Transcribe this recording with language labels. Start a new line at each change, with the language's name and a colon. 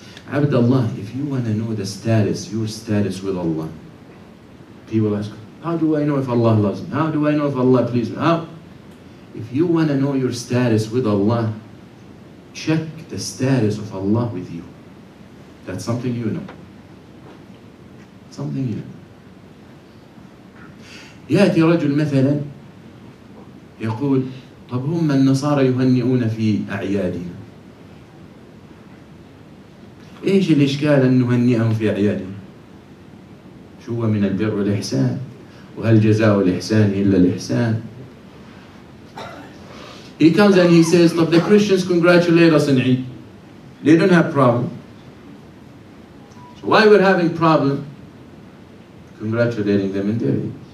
English: Abdullah, if you want to know the status, your status with Allah, people ask, how do I know if Allah loves me? How do I know if Allah pleases me? How? If you want to know your status with Allah, check the status of Allah with you. That's something you know. Something you know.
Arabic: يأتي رجل مثلا يقول طب هم النصارى يهنئون في أعيادنا. إيش الإشكال أن نهنئهم في أعيادنا؟ شو هو من البر والإحسان؟ وهل جزاء الإحسان إلا الإحسان؟
English: He comes and he says, طب the Christians congratulate us in Eid. They don't have problem. So why we're having problem congratulating them in their Eid?